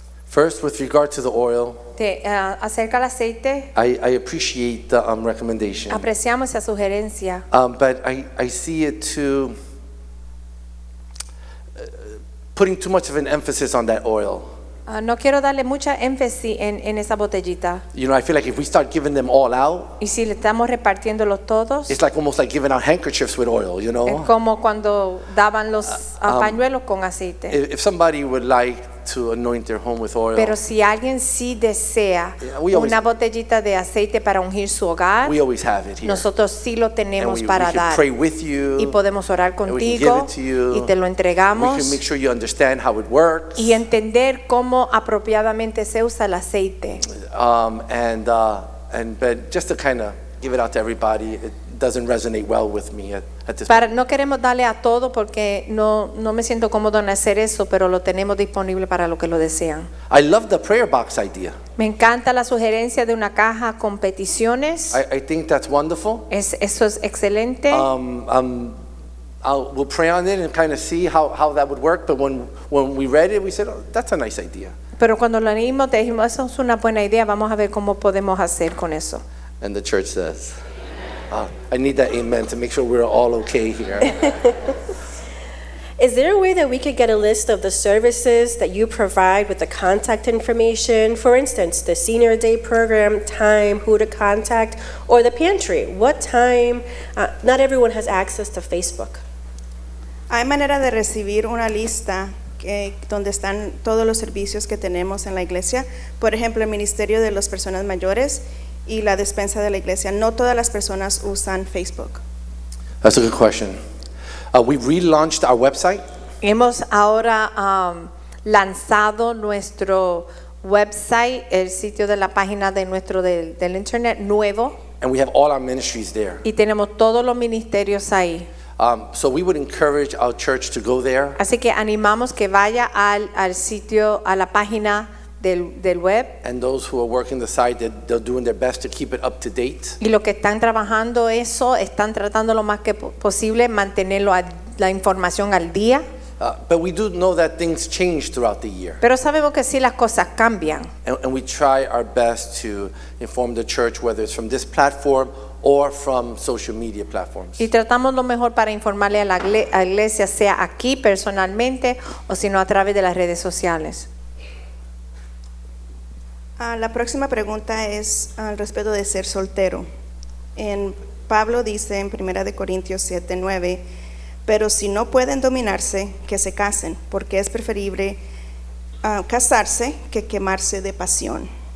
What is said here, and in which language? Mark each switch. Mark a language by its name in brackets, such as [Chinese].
[English] First, with regard to the oil, [Spanish] acerca del aceite, [English] I appreciate the recommendation. [Spanish] Apreciamos esa sugerencia. [English] But I see it too, putting too much of an emphasis on that oil. [Spanish] No quiero darle mucha énfasis en esa botellita. [English] You know, I feel like if we start giving them all out, [Spanish] y si le estamos repartiéndolo todos, [English] it's like almost like giving out handkerchiefs with oil, you know? [Spanish] Es como cuando daban los pañuelos con aceite. [English] If somebody would like to anoint their home with oil. [Spanish] Pero si alguien sí desea una botellita de aceite para ungir su hogar, [English] we always have it here. [Spanish] Nosotros sí lo tenemos para dar. [English] And we can pray with you. [Spanish] Y podemos orar contigo. [English] And we can give it to you. [Spanish] Y te lo entregamos. [English] We can make sure you understand how it works. [Spanish] Y entender cómo apropiadamente se usa el aceite. [English] But just to kind of give it out to everybody, it doesn't resonate well with me at this point. [Spanish] No queremos darle a todo porque no me siento cómodo en hacer eso, pero lo tenemos disponible para lo que lo desean. [English] I love the prayer box idea. [Spanish] Me encanta la sugerencia de una caja con peticiones. [English] I think that's wonderful. [Spanish] Eso es excelente. [English] We'll pray on it and kind of see how that would work, but when we read it, we said, oh, that's a nice idea. [Spanish] Pero cuando lo leímos, dijimos, eso es una buena idea, vamos a ver cómo podemos hacer con eso. [English] And the church says, I need that amen to make sure we're all okay here. Is there a way that we could get a list of the services that you provide with the contact information? For instance, the senior day program, time, who to contact, or the pantry. What time? Not everyone has access to Facebook. [Spanish] Hay manera de recibir una lista donde están todos los servicios que tenemos en la iglesia. Por ejemplo, el Ministerio de las Personas Mayores y la despensa de la iglesia. No todas las personas usan Facebook. [English] That's a good question. We relaunched our website. [Spanish] Hemos ahora lanzado nuestro website, el sitio de la página de nuestro del internet nuevo. [English] And we have all our ministries there. [Spanish] Y tenemos todos los ministerios ahí. [English] So we would encourage our church to go there. [Spanish] Así que animamos que vaya al sitio, a la página del web. [English] And those who are working the site, they're doing their best to keep it up to date. [Spanish] Y los que están trabajando eso, están tratando lo más que posible mantenerlo la información al día. [English] But we do know that things change throughout the year. [Spanish] Pero sabemos que sí, las cosas cambian. [English] And we try our best to inform the church, whether it's from this platform or from social media platforms. [Spanish] Y tratamos lo mejor para informarle a la iglesia, sea aquí personalmente o sino a través de las redes sociales. La próxima pregunta es al respecto de ser soltero. En Pablo dice en 1 Corintios 7:9, pero si no pueden dominarse, que se casen, porque es preferible casarse que quemarse de pasión.